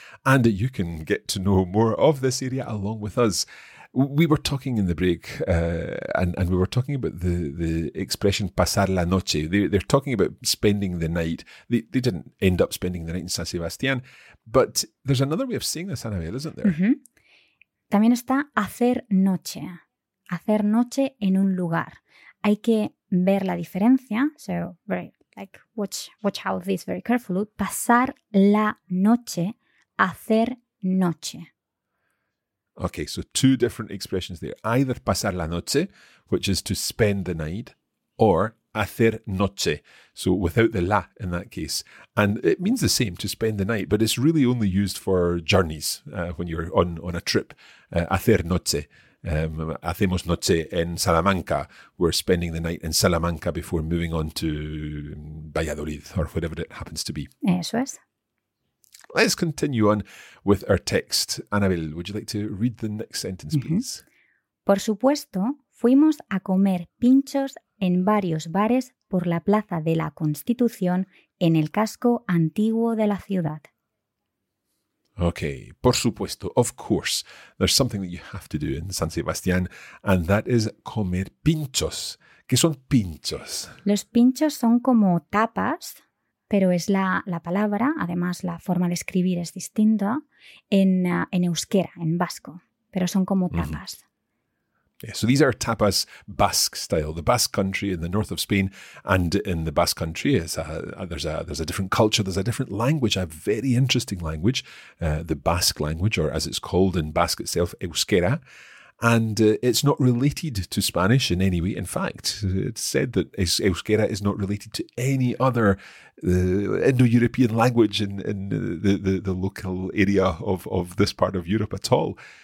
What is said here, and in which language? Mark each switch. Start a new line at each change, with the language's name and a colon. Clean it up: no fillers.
English: And you can get to know more of this area along with us. We were talking in the break and we were talking about the expression pasar la noche. They're talking about spending the night. They didn't end up spending the night in San Sebastián. But there's another way of saying this, Anabel, isn't there? Mm-hmm.
Spanish: También está hacer noche. Hacer noche en un lugar. Hay que ver la diferencia.
English: So, very, like, watch out this very carefully.
Spanish: Pasar la noche, hacer noche.
English: Okay, so two different expressions there. Either pasar la noche, which is to spend the night, or hacer noche. So, without the la in that case. And it means the same, to spend the night, but it's really only used for journeys, when you're on a trip.
Spanish: Hacer noche. Hacemos noche en Salamanca.
English: We're spending the night in Salamanca before moving on to Valladolid or whatever it happens to be.
Spanish: Eso es.
English: Let's continue on with our text. Anabel, would you like to read the next sentence, please? Mm-hmm.
Spanish: Por supuesto, fuimos a comer pinchos en varios bares por la Plaza de la Constitución en el casco antiguo de la ciudad.
English: Okay, por supuesto, of course, there's something that you have to do in San Sebastián, and that is comer pinchos.
Spanish: ¿Qué son pinchos? Los pinchos son como tapas, pero es la palabra, además la forma de escribir es distinta, en euskera, en vasco, pero son como tapas. Mm-hmm.
English: Yeah, so these are tapas Basque style, the Basque country in the north of Spain. And in the Basque country, there's a different culture, there's a different language, a very interesting language, the Basque language, or as it's called in Basque itself, euskera. And it's not related to Spanish in any way. In fact, it's said that euskera is not related to any other Indo-European language in the local area of this part of Europe at all.